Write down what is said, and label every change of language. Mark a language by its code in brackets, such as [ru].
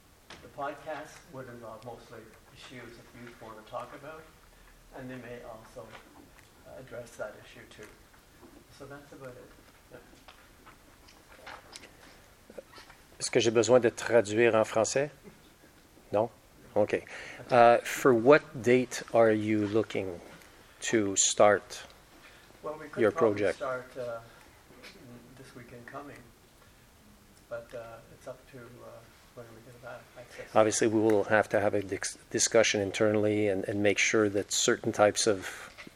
[en] The podcast would involve mostly issues that youth want to talk about, and they may also address that issue too. So that's about it. Yeah. [fr] Est-ce que j'ai besoin de traduire en français? Non? Okay. [en] For what date are you looking to start your project? Well, we could probably start this weekend coming, but it's up to when we get back. Obviously, we will have to have a discussion internally and make sure that certain types of...